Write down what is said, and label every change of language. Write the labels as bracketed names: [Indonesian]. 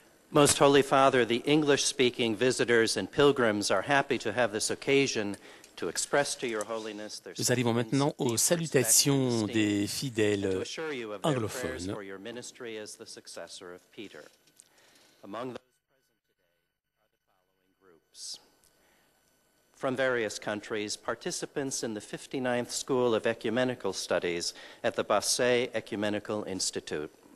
[English] Most Holy Father, the English-speaking visitors and pilgrims are happy to have this occasion to express to your holiness their [French] Nous arrivons maintenant aux salutations des fidèles anglophones. [English] For your ministry as the successor of Peter. Among those present today are the following groups. From various countries, participants in the 59th School of Ecumenical Studies at the Bassey Ecumenical Institute.